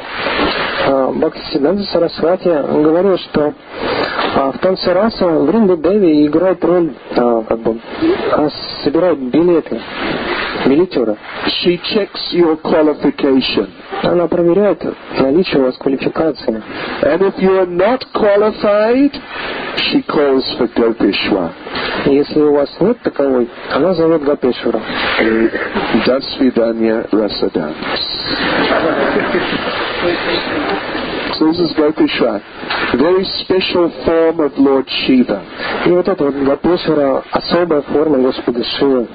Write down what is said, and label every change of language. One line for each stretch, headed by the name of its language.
Russian: Бхактисиддханта Сарасвати говорил, что в танце раса Вринда Деви играет роль, как бы, собирает билеты, билетера.
English: She checks your qualification.
Russian: Она проверяет наличие у вас квалификации.
English: And if you are not qualified, she calls for Gopeshwar.
Russian: Если у вас нет таковой, она зовет Гопешвара. До свидания, Расаданс.
English: So this is Gopeshwar, very special form of Lord Shiva.
Russian: И вот это Гопешвара, особая форма Господа Шивы.